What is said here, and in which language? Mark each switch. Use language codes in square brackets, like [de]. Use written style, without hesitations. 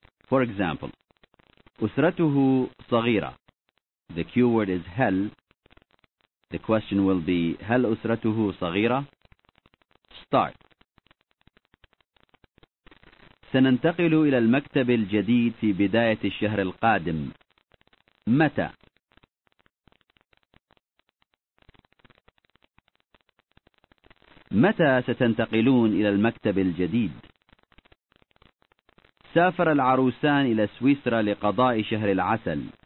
[en] For example, [ar] أسرته صغيرة. [en] The cue word is هل. The question will be هل [ar] أسرته صغيرة؟ [en] Start. [ar] سننتقل إلى المكتب الجديد في بداية الشهر القادم. متى؟ متى ستنتقلون إلى المكتب الجديد؟ سافر العروسان إلى سويسرا لقضاء شهر العسل.